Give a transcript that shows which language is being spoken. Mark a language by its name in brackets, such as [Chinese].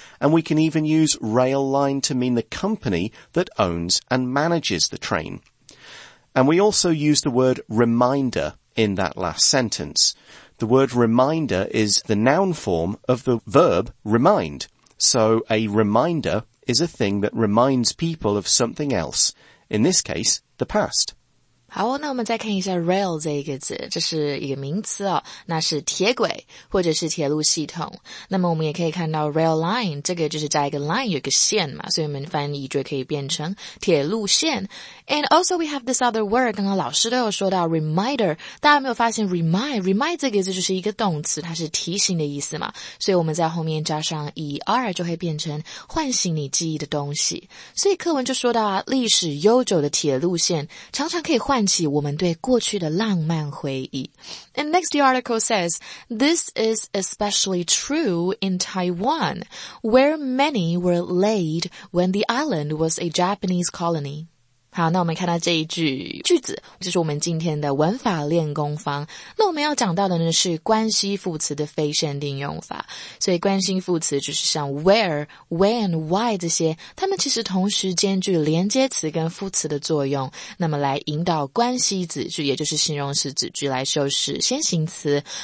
[English] And we can even use rail line to mean the company that owns and manages the train. And we also use the word reminder in that last sentence. The word reminder is the noun form of the verb remind. So a reminder is a thing that reminds people of something else. In this case, the past. [Chinese] 好，那我们再看一下 rail 这一个字，这是一个名词哦，那是铁轨或者是铁路系统。那么我们也可以看到 rail line, 这个就是加一个 line, 有一个线嘛，所以我们翻译就可以变成铁路线。 [English] And also we have this other word, [Chinese] 刚刚老师都有说到 reminder, 大家没有发现 remind 这个字就是一个动词，它是提醒的意思嘛，所以我们在后面加上 er 就会变成唤醒你记忆的东西。所以课文就说到啊，历史悠久的铁路线常常可以唤起我们对过去的浪漫回忆。 [English] And next, the article says, this is especially true in Taiwan, where many were laid when the island was a Japanese colony. [Chinese] 好，那我们看到这一句句子，就是我们今天的文法练功坊。那我们要讲到的呢是关系副词的非限定用法。所以关系副词就是像 where, when, why 这些，它们其实同时兼具连接词跟副词的作用，那么来引导关系子句，也就是形容式子句来修饰先行词。